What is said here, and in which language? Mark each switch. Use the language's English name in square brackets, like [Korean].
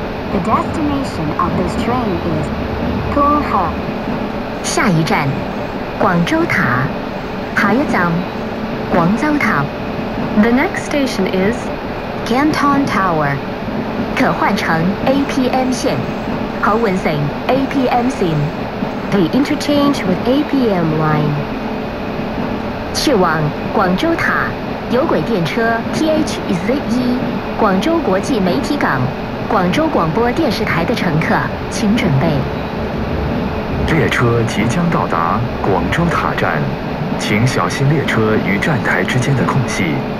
[English] The destination of this train is 同和。 [Chinese] 下一站，广州塔。下一站，广州塔。 [English] The next station is Canton Tower。 [Chinese] 可换乘 APM 线，可换乘 APM 线。 [English] The interchange with APM line. [Chinese] 去往广州塔，有轨电车 THZE， 广州国际媒体港，广州广播电视台的乘客，请准备。列车即将到达广州塔站，请小心列车与站台之间的空隙。